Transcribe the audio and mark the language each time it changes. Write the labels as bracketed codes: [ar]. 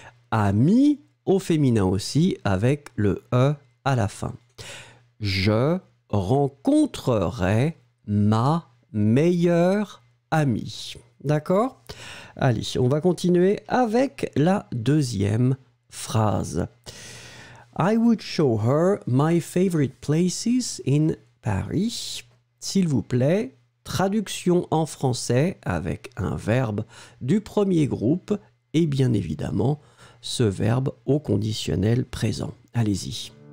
[fr] Ami au féminin aussi avec le e à la fin. Je rencontrerai ma meilleure amie. D'accord ? Allez, on va continuer avec la deuxième phrase. [en] I would show her my favorite places in Paris. [fr] s'il vous plaît, traduction en français avec un verbe du premier groupe et bien évidemment ce verbe au conditionnel présent. Allez-y.